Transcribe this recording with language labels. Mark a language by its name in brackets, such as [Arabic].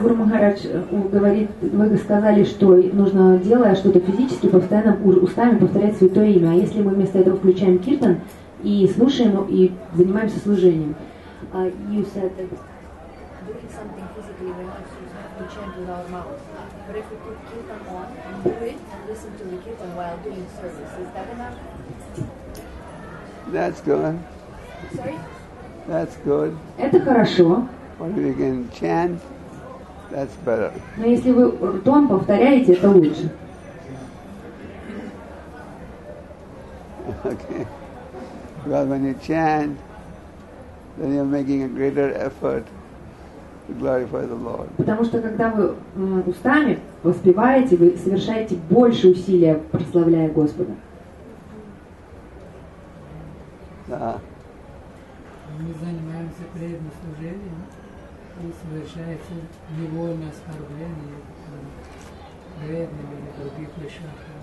[Russian] Гуру Махарадж говорит, вы сказали, что нужно, делая что-то физически, постоянно устами повторять святое имя. А если мы вместо этого включаем киртан и слушаем, и занимаемся служением? [English] You said that doing something physically, we have to chant with our mouth. But if we put kirtan on and do it and listen to the kirtan while doing service, is that enough? That's good. Sorry? That's good. [Russian] Это хорошо. [English] But if you can chant, that's better. [Russian] Но если вы ртом повторяете, это лучше. [English] Okay. Well, when you chant, then you're making a greater effort. Glorify the Lord. [Russian] Потому что когда вы устами воспеваете, вы совершаете больше усилия, прославляя Господа. Да. Мы занимаемся преданным служением и совершается невольное оскорбление преданным или других вещах.